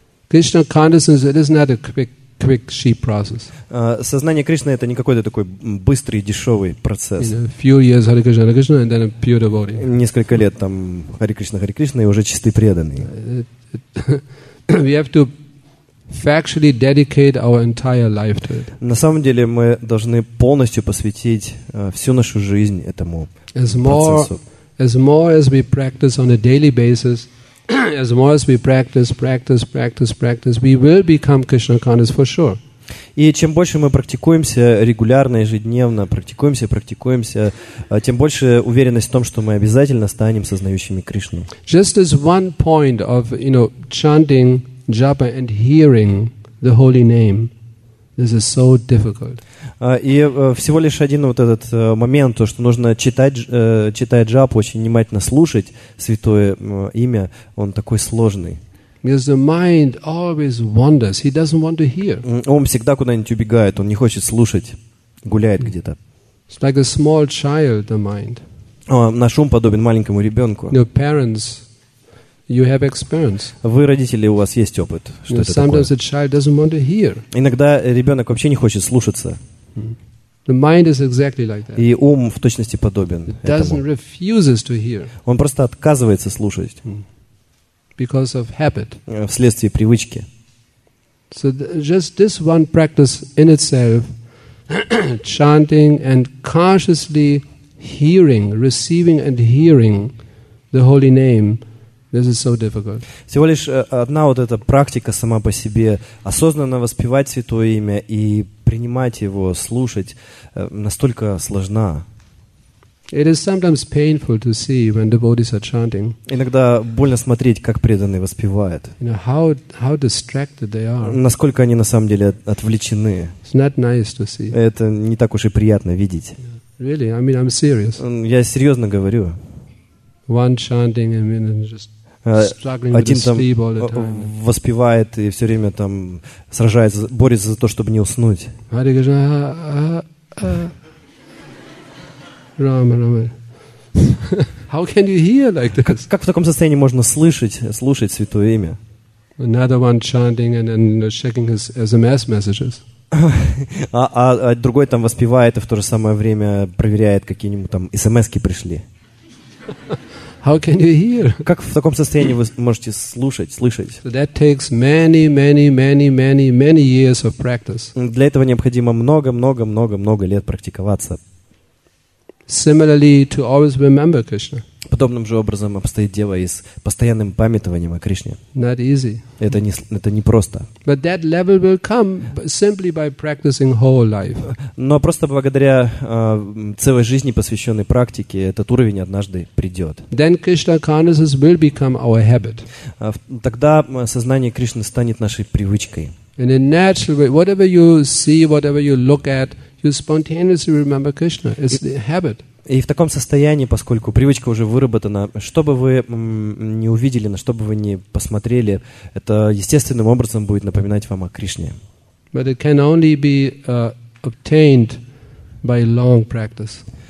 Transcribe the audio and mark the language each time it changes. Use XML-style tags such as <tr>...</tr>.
<en>Krishna consciousness, it is not a quick cheap process.</en> <ru>Сознание Кришны это не какой-то такой быстрый дешевый процесс.</ru> <en>Few years Hare Krishna, Hare Krishna, and then a pure devotee.</en> <ru>Несколько лет там Hare Krishna и уже чистый преданный.</ru> <en>We have to factually dedicate our entire life to it.</en> <ru>На самом деле мы должны полностью посвятить всю нашу жизнь этому процессу.</ru> <en>As more as we practice on a daily basis. As more as we practice, we will become Krishna conscious for sure.</en> <ru>И чем больше мы практикуемся регулярно, ежедневно, практикуемся, тем больше уверенность в том, что мы обязательно станем сознающими Кришну.</ru> <en>Just as one point of, you know, chanting japa and hearing the holy name, this is so difficult.</en> <ru>И всего лишь один вот этот момент, то, что нужно читать джапу, очень внимательно слушать святое имя, он такой сложный.</ru> <en>Because the mind always wanders, he doesn't want to hear.</en> <ru>Ум всегда куда-нибудь убегает, он не хочет слушать, гуляет где-то.</ru> <en>It's like a small child, the mind.</en> <ru>Наш ум подобен маленькому ребенку.</ru> <en>Your parents, you have experience.</en> <ru>Вы, родители, у вас есть опыт, что это</ru> <en>sometimes</en> <ru>такое.</ru> <en>The child doesn't want to hear.</en> <ru>Иногда ребенок вообще не хочет слушаться.</ru> <en>The mind is exactly like that.</en> <ru>И ум в точности подобен</ru> <en>It doesn't</en> <ru>этому.</ru> <en>Refuses to hear.</en> <ru>Он просто отказывается слушать.</ru> <en>Because of habit.</en> <ru>Вследствие привычки.</ru> <en>So just this one practice in itself, chanting and consciously hearing, receiving and hearing the holy name, this is so difficult.</en> <ru>Всего лишь одна вот эта практика сама по себе, осознанно воспевать святое имя и принимать его, слушать, настолько сложна.</ru> <en>It is sometimes painful to see when devotees are chanting.</en> <ru>Иногда больно смотреть, как преданные воспевают.</ru> <en>You know, how distracted they are.</en> <ru>Насколько они на самом деле отвлечены.</ru> <en>It's not nice to see.</en> <ru>Это не так уж и приятно видеть.</ru> <en>Yeah. Really? I mean, I'm serious.</en> <ru>Я серьезно говорю.</ru> <en>One chanting, I mean, and just struggling</en> <ru>один</ru> <en>with sleep all the time.</en> <ru>Воспевает и все время там сражается, борется за то, чтобы не уснуть.</ru> <sa>Hare Krishna, Rama, Rama.</sa> <en>How can you hear like this?</en> <ru>Как в таком состоянии можно слушать святое имя?</ru> <en>Another one chanting and then, you know, checking his SMS messages.</en> <ru>А другой там воспевает и в то же самое время проверяет, какие-нибудь там смс-ки пришли.</ru> <en>How can you hear?</en> <ru>Как в таком состоянии вы можете слышать?</ru> <en>So that takes many years of practice.</en> <ru>Для этого необходимо много лет практиковаться.</ru> <en>Similarly, to always remember Krishna.</en> <ru>Подобным же образом обстоит дело и с постоянным памятованием о Кришне.</ru> <en>Not easy.</en> <ru>Это не просто.</ru> <en>But that level will come simply by practicing whole life.</en> <ru>Но просто благодаря целой жизни, посвященной практике, этот уровень однажды придет.</ru> <en>Then Krishna consciousness will become our habit.</en> <ru>Тогда сознание Кришны станет нашей привычкой.</ru> <en>In a natural way, whatever you see, whatever you look at, you spontaneously remember Krishna. It's the habit.</en> <ru>И в таком состоянии, поскольку привычка уже выработана, что бы вы ни увидели, на что бы вы ни посмотрели, это естественным образом будет напоминать вам о Кришне.</ru> <en>But it can only be obtained by long practice.</en>